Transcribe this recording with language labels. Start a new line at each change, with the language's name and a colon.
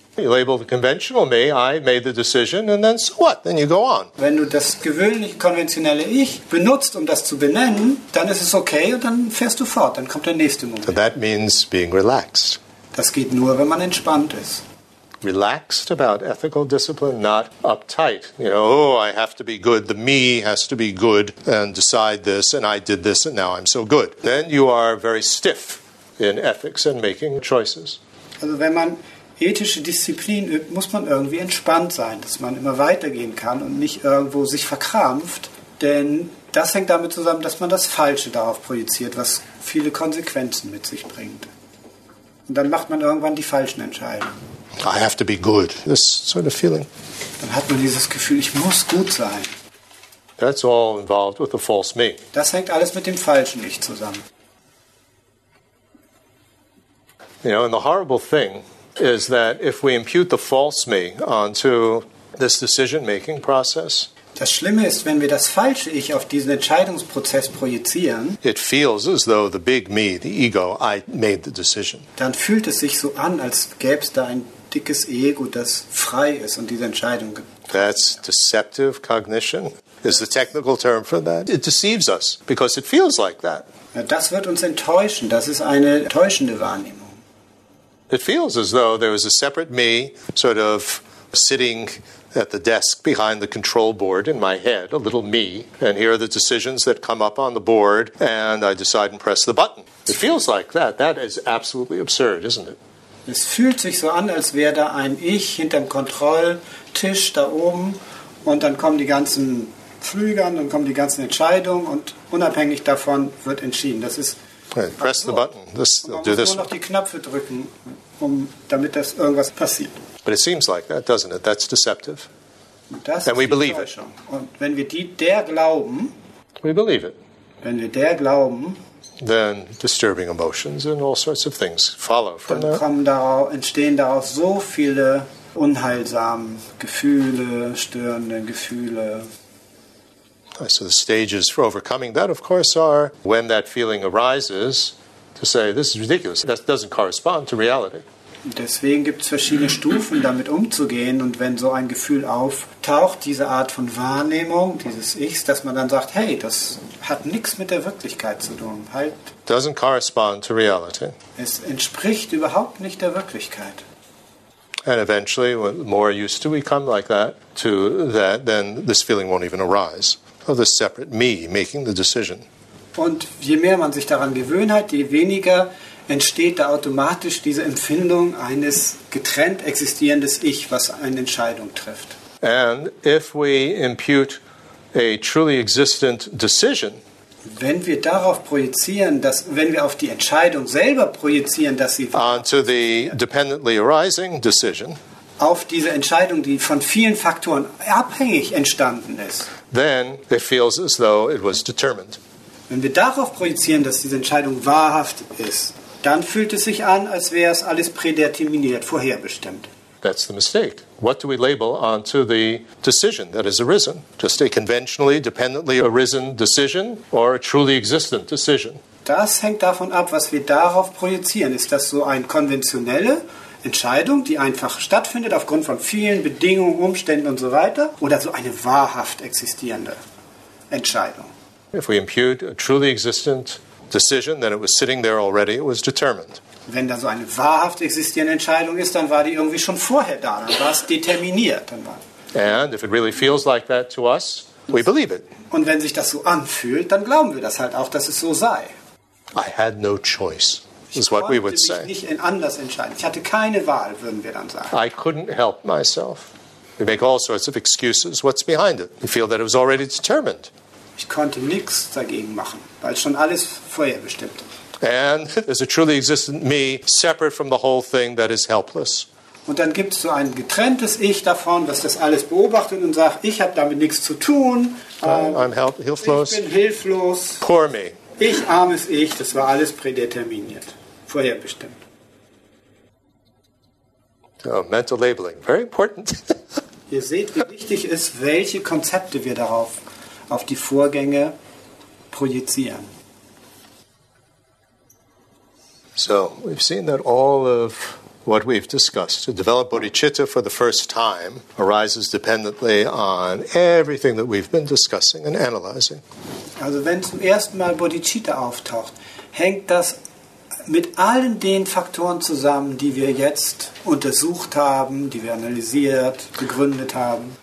English: You label the conventional me, I made the decision, and then so what? Then you go on.
German: Wenn du das gewöhnliche, konventionelle Ich benutzt, um das zu benennen, dann ist es okay und dann fährst du fort, dann kommt der nächste Moment.
English: So that means being relaxed.
German: Das geht nur, wenn man entspannt ist.
English: Relaxed about ethical discipline, not uptight. You know, oh, I have to be good, the me has to be good and decide this, and I did this, and now I'm so good. Then you are very stiff in ethics and making choices.
German: Also wenn man ethische Disziplin übt, muss man irgendwie entspannt sein, dass man immer weitergehen kann und nicht irgendwo sich verkrampft. Denn das hängt damit zusammen, dass man das Falsche darauf projiziert, was viele Konsequenzen mit sich bringt. Und dann macht man irgendwann die falschen Entscheidungen.
English: I have to be good. This sort of feeling.
German: Dann hat man dieses Gefühl, ich muss gut sein.
English: That's all involved with the false me.
German: Das hängt alles mit dem falschen Ich zusammen.
English: You know, and the horrible thing is that if we impute the false me onto this decision-making process,
German: das Schlimme ist, wenn wir das falsche Ich auf diesen Entscheidungsprozess projizieren,
English: it feels as though the big me, the ego, I made the decision.
German: Dann fühlt es sich so an, als gäbe es da ein dickes Ego, das frei ist und diese Entscheidung getroffen.
English: That's deceptive cognition. Is the technical term for that? It deceives us because it feels like that.
German: Ja, das wird uns enttäuschen. Das ist eine täuschende Wahrnehmung.
English: It feels as though there was a separate me sort of sitting at the desk behind the control board in my head, a little me, and here are the decisions that come up on the board, and I decide and press the button. It feels like that. That is absolutely absurd, isn't it?
German: Es fühlt sich so an, als wäre da ein Ich hinterm Kontrolltisch da oben, und dann kommen die ganzen Flüge an, dann kommen die ganzen Entscheidungen, und unabhängig davon wird entschieden. Das ist...
English: Right, press the button. This,
German: man
English: do this.
German: Muss nur noch die Knöpfe drücken, damit das irgendwas passiert.
English: But it seems like that, doesn't it? That's deceptive.
German: Das
English: and we believe it.
German: Und wenn wir der glauben,
English: we believe it.
German: Wenn wir der glauben,
English: then disturbing emotions and all sorts of things follow from
German: dann
English: that.
German: Entstehen daraus so viele unheilsame Gefühle, störende Gefühle.
English: So the stages for overcoming that, of course, are when that feeling arises, to say, this is ridiculous, that doesn't correspond to reality.
German: Deswegen gibt es verschiedene Stufen, damit umzugehen. Und wenn so ein Gefühl auftaucht, diese Art von Wahrnehmung, dieses Ichs, dass man dann sagt, hey, das hat nichts mit der Wirklichkeit zu tun. Halt.
English: Doesn't correspond to reality.
German: Es entspricht überhaupt nicht der Wirklichkeit.
English: And eventually, the more used to we come like that, to that, then this feeling won't even arise. Of the separate me making the decision.
German: Und je mehr man sich daran gewöhnt hat, je weniger entsteht da automatisch diese Empfindung eines getrennt existierendes Ich, was eine Entscheidung trifft.
English: And if we impute a truly existent decision,
German: wenn wir darauf projizieren, dass wenn wir auf die Entscheidung selber projizieren, dass sie
English: onto the dependently arising decision,
German: auf diese Entscheidung, die von vielen Faktoren abhängig entstanden ist.
English: Then it feels as though it was determined.
German: Wenn wir darauf projizieren, dass diese Entscheidung wahrhaft ist, dann fühlt es sich an, als wäre es alles prädeterminiert, vorherbestimmt.
English: That's the mistake. What do we label onto the decision that has arisen? Just a conventionally, dependently arisen decision or a truly existent decision?
German: Das hängt davon ab, was wir darauf projizieren. Ist das so eine konventionelle Entscheidung, die einfach stattfindet aufgrund von vielen Bedingungen, Umständen und so weiter, oder so eine wahrhaft existierende Entscheidung?
English: If we impute a truly existent decision, then it was sitting there already, it was determined.
German: Wenn da so eine wahrhaft existierende Entscheidung ist, dann war die irgendwie schon vorher da, dann war es determiniert.
English: And if it really feels like that to us, we believe it.
German: Und wenn sich das so anfühlt, dann glauben wir das halt auch, dass es so sei.
English: I had no choice. Is what we would say.
German: Ich konnte mich nicht anders entscheiden. Ich hatte keine Wahl, würden wir dann sagen.
English: I couldn't help myself. We make all sorts of excuses. What's behind it? We feel that it was already determined.
German: Ich konnte nichts dagegen machen, weil schon alles vorherbestimmt.
English: And there's a truly existent me separate from the whole thing that is helpless.
German: Und dann gibt es so ein getrenntes Ich davon, was das alles beobachtet und sagt, ich habe damit nichts zu tun.
English: I'm helpless.
German: Ich bin hilflos.
English: Poor me.
German: Ich, armes Ich, das war alles prädeterminiert, vorherbestimmt.
English: Oh, mental labeling, very important.
German: Ihr seht, wie wichtig ist, welche Konzepte wir darauf, auf die Vorgänge projizieren.
English: So, we've seen that all of what we've discussed, to develop bodhicitta for the first time, arises dependently on everything that we've been discussing and analyzing.
German: Also wenn zum ersten Mal Bodhicitta auftaucht, hängt das mit allen den Faktoren zusammen, die wir jetzt untersucht haben, die wir analysiert, begründet haben.